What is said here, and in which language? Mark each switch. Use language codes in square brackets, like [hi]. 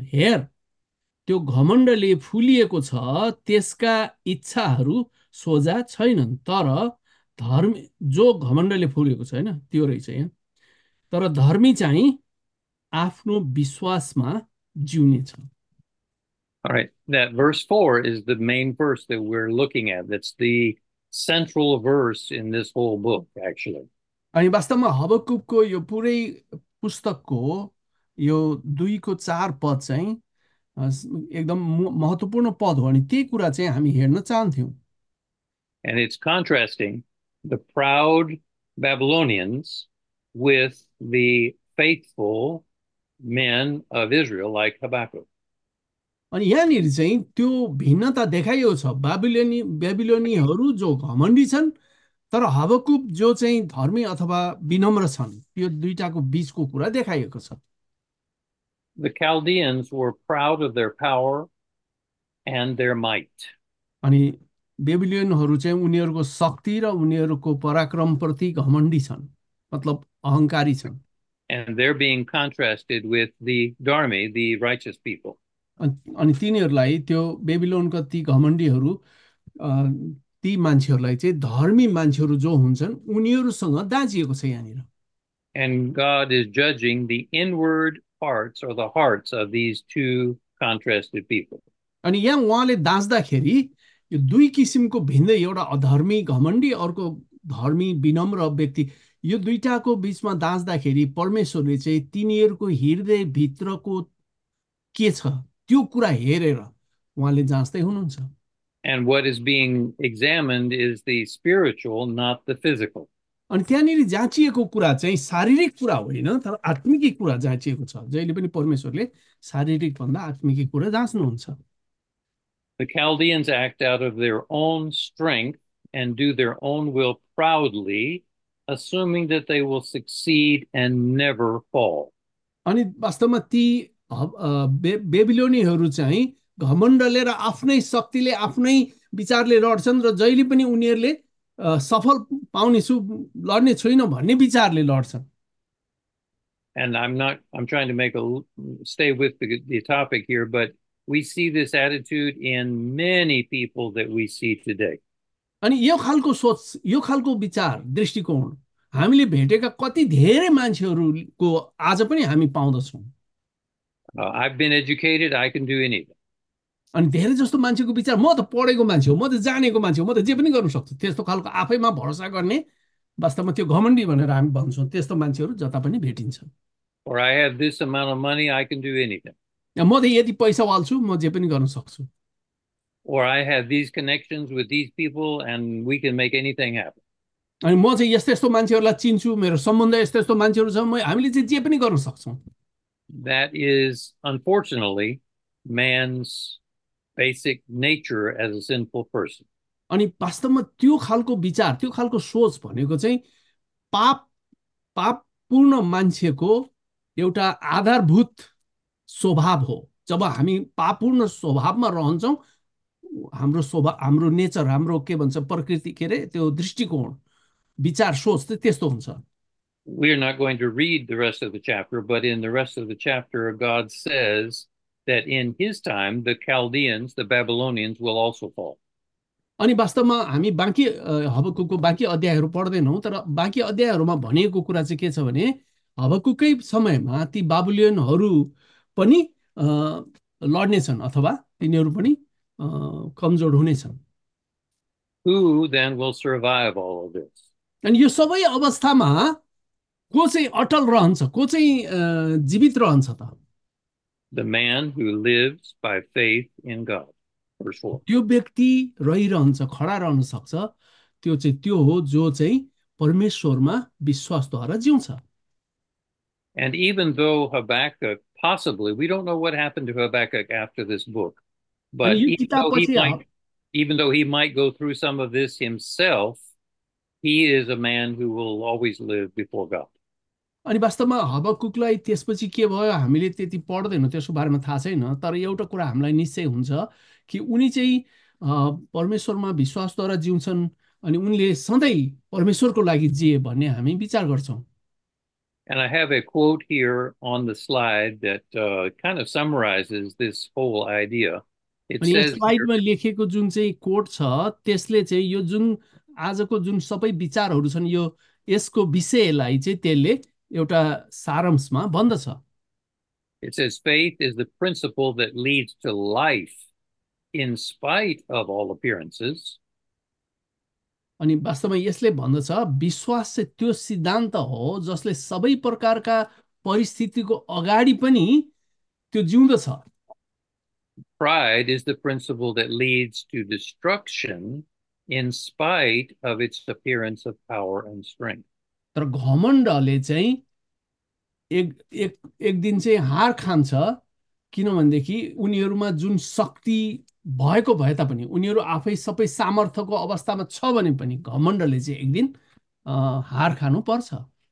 [ne] हेर, त्यो घमण्डले फुलिएको छ, त्यसका इच्छाहरू सोझा छैनन्, तर धर्मी जो घमण्डले फुलिएको छ होइन त्यो रहेछ यहाँ, तर धर्मी चाहिँ आफ्नो विश्वासमा जिउनेछ। [en] All right, that verse 4 is the main verse that we're looking at. That's the central verse in this whole book, actually. [ne] अनि वास्तवमा हबक्कुकको यो पुरै पुस्तकको यो 2-4 पद चाहिँ एकदम महत्त्वपूर्ण पद हो, अनि त्यही कुरा चाहिँ हामी हेर्न चाहन्थ्यौँ। [en] And it's contrasting the proud Babylonians with the faithful men of Israel like Habakkuk. [ne] अनि यहाँनिर चाहिँ त्यो भिन्नता देखाइएको छ, बेबिलोनीहरू जो घमण्डी छन्, तर हबक्कुक जो चाहिँ धर्मी अथवा विनम्र छन्, यो दुईटाको बिचको कुरा देखाइएको छ। [en] The Chaldeans were proud of their power and their might. [ne] अनि बेबिलोनहरू चाहिँ उनीहरूको शक्ति र उनीहरूको पराक्रमप्रति घमण्डी छन्, मतलब अहंकारी छन्। [en] And they're being contrasted with the Dharmi, the righteous people. [ne] अनि तिनीहरूलाई त्यो बेबिलोनका ती घमण्डीहरू ती मान्छेहरूलाई चाहिँ धर्मी मान्छेहरू जो हुन्छन् उनीहरूसँग दाजिएको छ यहाँनिर। [en] And God is judging the inward parts or the hearts of these two contrasted people. [ne] अनि यहाँ उहाँले दाज्दाखेरि यो दुई किसिमको भिन्दै, एउटा अधर्मी घमण्डी, अर्को धर्मी विनम्र व्यक्ति, यो दुईटाको बिचमा दाज्दाखेरि परमेश्वरले चाहिँ तिनीहरूको हृदय भित्रको के छ त्यो कुरा हेरेर उहाँले जाँच्दै हुनुहुन्छ। [en] And what is being examined is the spiritual, not the physical. [ne] अनि त्यहाँनिर जाँचिएको कुरा चाहिँ शारीरिक कुरा होइन, तर आत्मिक कुरा जाँचिएको छ। जहिले पनि परमेश्वरले शारीरिक भन्दा आत्मिक कुरा जाँच्नुहुन्छ। [en] The Chaldeans act out of their own strength and do their own will proudly, assuming that they will succeed and never fall. [ne] अनि वास्तवमा ती बेबिलोनीहरू चाहिँ घमण्डले र आफ्नै शक्तिले आफ्नै विचारले लड्छन्, र जहिले पनि उनीहरूले सफल पाउनेछु, लड्ने छुइनँ भन्ने विचारले लड्छन्। [en] And I'm trying to make a stay with the topic here, but we see this attitude in many people that we see today. [ne] अनि यो खालको सोच, यो खालको विचार, दृष्टिकोण हामीले भेटेका कति धेरै मान्छेहरूको आज पनि हामी पाउँदछौँ। [en] I've been educated, I can do anything. [ne] अनि धेरै जस्तो मान्छेको विचार, म त पढेको मान्छे हो, म त जानेको मान्छे हो, म त जे पनि गर्न सक्छु, त्यस्तो खालको आफैमा भरोसा गर्ने, वास्तवमा त्यो घमण्डी भनेर हामी भन्छौँ। त्यस्तो मान्छेहरू जता पनि भेटिन्छ। [en] Or I have this amount of money, I can do anything. [ne] म त यति पैसा वाल्छु, म जे पनि गर्न सक्छु। [en] Or I have these connections with these people and we can make anything happen. [ne] अनि म चाहिँ यस्तो यस्तो मान्छेहरूलाई चिन्छु, मेरो सम्बन्ध यस्तो यस्तो मान्छेहरू छ, म हामीले चाहिँ जे पनि गर्न सक्छौँ। [en] That is unfortunately man's basic nature as a sinful person. [ne] अनि वास्तवमा त्यो खालको विचार, त्यो खालको सोच भनेको चाहिँ पाप पाप पूर्ण मान्छेको एउटा आधारभूत स्वभाव हो। जब हामी पापपूर्ण स्वभावमा रहन्छौँ, हाम्रो स्वभाव, हाम्रो नेचर, हाम्रो के भन्छ प्रकृति, के अरे त्यो दृष्टिकोण, विचार, सोच चाहिँ त्यस्तो हुन्छ। [en] We are not going to read the rest of the chapter, but in the rest of the chapter, God says that in his time, the Chaldeans, the Babylonians, will also fall. [ne] अनि वास्तवमा हामी बाँकी हबक्कूको बाँकी अध्यायहरू पढ्दैनौँ, तर बाँकी अध्यायहरूमा भनिएको कुरा चाहिँ के छ भने हबक्कूकै समयमा ती बाबुलियनहरू पनि लड्नेछन्, अथवा तिनीहरू पनि कमजोर हुनेछन्। [en] Who then will survive all of this? [ne] अनि यो सबै अवस्थामा को चाहिँ अटल रहन्छ, को चाहिँ जीवित रहन्छ त? [en] The man who lives by faith in God. Verse 4. [ne] त्यो व्यक्ति रहिरहन्छ, खडा रहन सक्छ, त्यो चाहिँ त्यो हो जो चाहिँ परमेश्वरमा विश्वासद्वारा जिउँछ। [en] And even though Habakkuk, possibly, we don't know what happened to Habakkuk after this book, [ne] अनि [en] but [ne] यो किताब पछि [en] even though he might go through some of this himself, he is a man who will always live before God. [ne] अनि वास्तवमा हबक्कूकलाई त्यसपछि के भयो हामीले त्यति पढ्दैनौँ, त्यसको बारेमा थाहा छैन। तर एउटा कुरा हामीलाई निश्चय हुन्छ कि उनी चाहिँ परमेश्वरमा विश्वासद्वारा जिउँछन्, अनि उनले सधैँ परमेश्वरको लागि जिए भन्ने हामी विचार गर्छौँ। [en] And I have a quote here on the slide that kind of summarizes this whole idea. It [ne] अनि यो [en] says here, [ne] स्लाइडमा लेखेको जुन चाहिँ कोट छ, त्यसले चाहिँ यो जुन आजको जुन सबै विचारहरू छन्, यो यसको विषयलाई चाहिँ त्यसले एउटा सारांशमा भन्दछ। [en] it says, faith is the principle that leads to life in spite of all appearances. [ne] अनि वास्तवमा यसले भन्दछ विश्वास चाहिँ त्यो सिद्धान्त हो जसले सबै प्रकारका परिस्थितिको अगाडि पनि त्यो जिउँदछ। [en] Pride is the principle that leads to destruction in spite of its appearance of power and strength. [ne] तर घमण्डले चाहिँ एक एक एक दिन चाहिँ हार खान्छ, किनभनेदेखि उनीहरूमा जुन शक्ति भएको भए तापनि, उनीहरू आफै सबै सामर्थ्यको अवस्थामा छ भने पनि घमण्डले चाहिँ एक दिन हार खानु पर्छ।